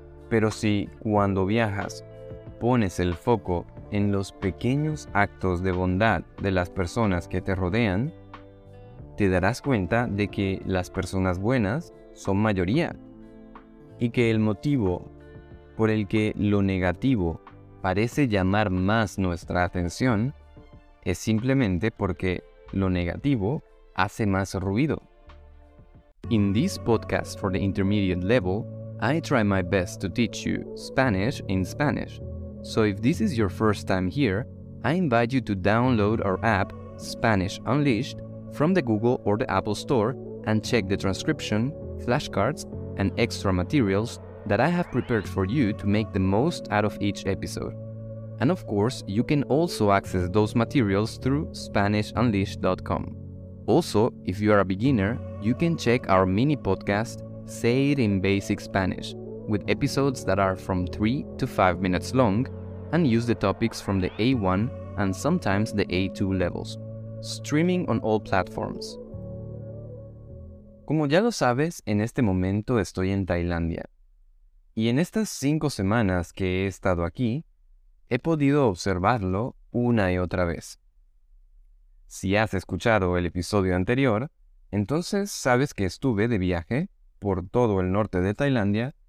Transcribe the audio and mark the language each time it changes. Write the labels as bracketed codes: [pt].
[es] Pero si cuando viajas pones el foco en los pequeños actos de bondad de las personas que te rodean, te darás cuenta de que las personas buenas son mayoría y que el motivo por el que lo negativo parece llamar más nuestra atención es simplemente porque lo negativo hace más ruido. [en] In this podcast for the intermediate level, I try my best to teach you Spanish in Spanish. So if this is your first time here, I invite you to download our app, Spanish Unleashed, from the Google or the Apple Store and check the transcription, flashcards, and extra materials that I have prepared for you to make the most out of each episode. And of course, you can also access those materials through SpanishUnleashed.com. Also, if you are a beginner, you can check our mini podcast, Say It in Basic Spanish, with episodes that are from 3 to 5 minutes long and use the topics from the A1 and sometimes the A2 levels, streaming on all platforms. [es] Como ya lo sabes, en este momento estoy en Tailandia. Y en estas 5 semanas que he estado aquí, he podido observarlo una y otra vez. Si has escuchado el episodio anterior, entonces sabes que estuve de viaje por todo el norte de Tailandia